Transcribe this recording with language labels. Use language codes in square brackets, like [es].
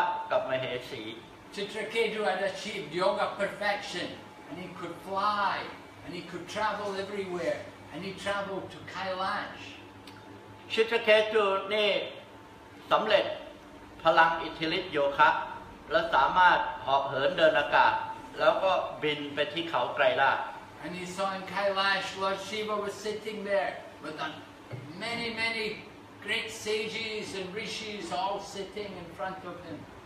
[th] ก็มีกษัตริย์องค์หนึ่งชื่อชิตรเคตุไปที่เขาไกรลาศก็พบพระศิวะกับมเหสี [en] Chitraketu had achieved yoga perfection and he could fly and he could travel everywhere and he traveled to Kailash. [th] ชิตรเคตุนี่สำเร็จ พลังอิทธิฤทธิ์โยคะและสามารถเหาะเหินเดินอากาศแล้วก็บินไปที่เขาไกรลาศ [en] And he saw in Kailash Lord Shiva was sitting there with many many great sages and rishis all sitting in front of him